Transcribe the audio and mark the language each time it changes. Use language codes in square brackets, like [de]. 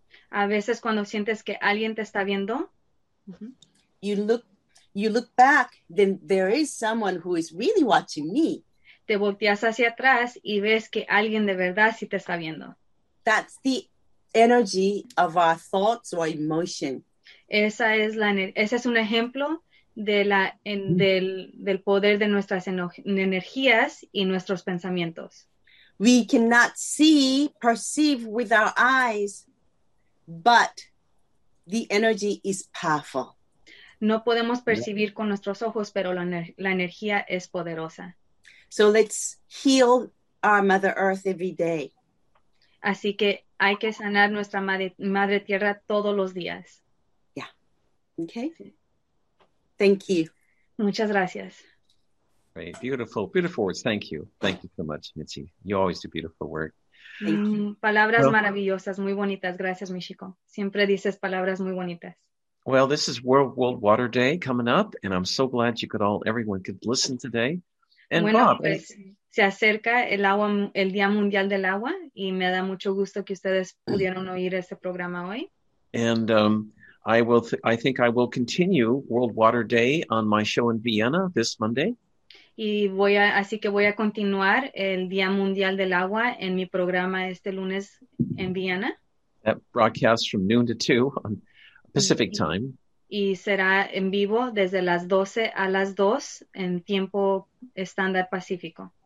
[es] A veces cuando sientes que alguien te está viendo, [en] you look back, then there is someone who is really watching me. [es] Te volteas hacia atrás y ves que alguien de verdad sí te está viendo. [en] That's the energy of our thoughts or emotion. [es] Ese es un ejemplo del poder de nuestras energías y nuestros pensamientos. [en] We cannot see, perceive with our eyes, but the energy is powerful. [es] No podemos percibir con nuestros ojos, pero la energía es poderosa. [en] So let's heal our Mother Earth every day. [es] Así que hay que sanar nuestra madre tierra todos los días. [en] Yeah. Okay. Thank you. [es] Muchas gracias. [en] Great. Beautiful. Beautiful words. Thank you. Thank you so much, Mitzi. You always do beautiful work. [es] Palabras well, maravillosas, muy bonitas. Gracias, Michiko. Siempre dices palabras muy bonitas. [en] Well, this is World Water Day coming up, and I'm so glad everyone could listen today. And [es] bueno, Bob, pues, se acerca el Día Mundial del Agua, y me da mucho gusto que ustedes pudieron oír este programa hoy. [en] And I think I will continue World Water Day on my show in Vienna this Monday. [es] Y voy a continuar el Día Mundial del Agua en mi programa este lunes en Viena. [en] That broadcasts from noon to 2 on Pacific time. [es] Y será en vivo desde las 12 a las 2 en tiempo estándar pacífico.